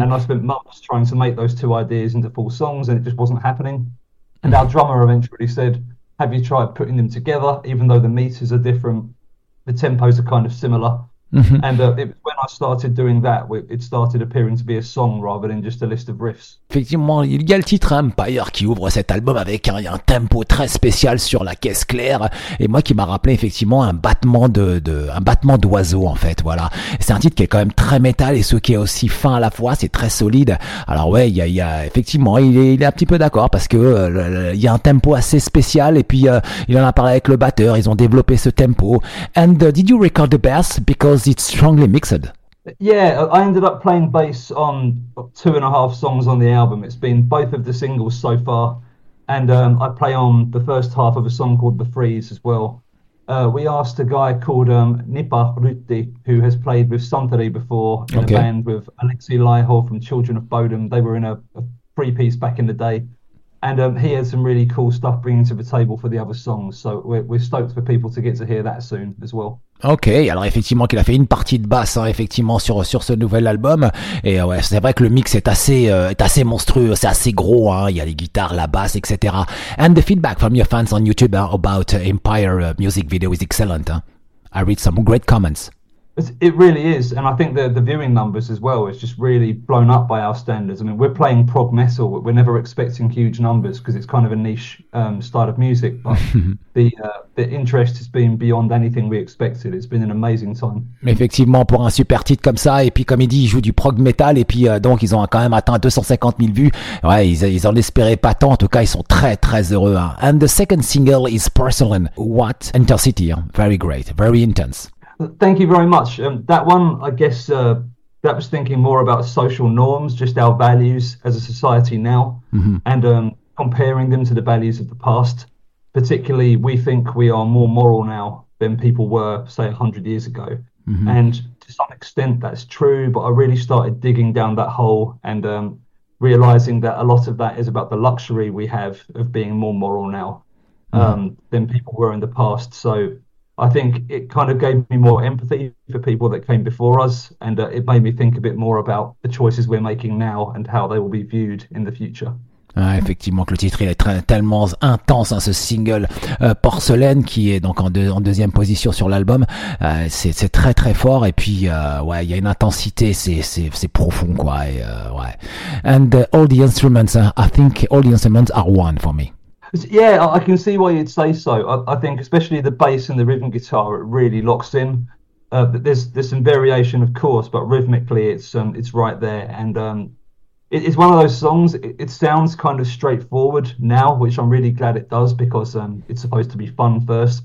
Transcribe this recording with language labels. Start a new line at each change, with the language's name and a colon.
English: And I spent months trying to make those two ideas into full songs, and it just wasn't happening. And our drummer eventually said, have you tried putting them together? Even though the meters are different, the tempos are kind of similar. And it was when I started doing that, it started appearing to be a song rather than just a list of riffs.
French: Effectivement, il y a le titre Empire qui ouvre cet album avec un tempo très spécial sur la caisse claire, et moi qui m'a rappelé effectivement un battement d'oiseau en fait. Voilà, c'est un titre qui est quand même très métal, et ce qui est aussi fin à la fois, c'est très solide. Alors ouais, il y a effectivement, il est un petit peu d'accord, parce que il y a un tempo assez spécial, et puis il en a parlé avec le batteur, ils ont développé ce tempo.
English: And did you record the bass because it's strongly mixed? Yeah, I ended up playing bass on 2.5 songs on the album. It's been both of the singles so far. And I play on the first half of a song called The Freeze as well. We asked a guy called Nipa Rutti, who has played with Santeri before in a band with Alexi Laiho from Children of Bodom. They were in a three-piece back in the day. And he had some really cool stuff bringing to the table for the other songs. So we're stoked for people to get to hear that soon as well.
French: Ok, alors effectivement qu'il a fait une partie de basse hein, effectivement sur ce nouvel album, et ouais, c'est vrai que le mix est assez monstrueux, c'est assez gros hein, il y a les guitares, la basse, etc.
English: And the feedback from your fans on YouTube about Empire music video is excellent
French: hein.
English: I read some great comments. It really is, and I think the viewing numbers as well is just really blown up by our standards. I mean, we're playing prog metal, but we're never expecting huge numbers because it's kind of a niche style of music. But the interest has been beyond anything we expected. It's been an amazing time.
French: Effectivement, pour un super titre comme ça, et puis comme il dit, il joue du prog metal, et puis donc ils ont quand même atteint 250 000 vues. Ouais, ils en espéraient pas tant. En tout cas, ils sont très très heureux. Hein.
English: And the second single is Porcelain. What intensity?
French: Hein?
English: Very great. Very intense. Thank you very much. That one, I guess, that was thinking more about social norms, just our values as a society now, and comparing them to the values of the past. Particularly, we think we are more moral now than people were, say, 100 years ago. Mm-hmm. And to some extent, that's true. But I really started digging down that hole and realizing that a lot of that is about the luxury we have of being more moral now than people were in the past. So I think it kind of gave me more empathy for people that came before us, and it made me think a bit more about the choices we're making now and how they will be viewed in the future.
French: Ah, effectivement, que le titre il est tellement intense, hein, ce single Porcelaine qui est donc en deuxième position sur l'album, c'est très très fort, et puis ouais, il y a une intensité, c'est profond quoi. Et, ouais.
English: And all the instruments, I think all the instruments are one for me. Yeah, I can see why you'd say so. I think especially the bass and the rhythm guitar, it really locks in. There's some variation, of course, but rhythmically it's right there. And it's one of those songs, it sounds kind of straightforward now, which I'm really glad it does, because it's supposed to be fun first.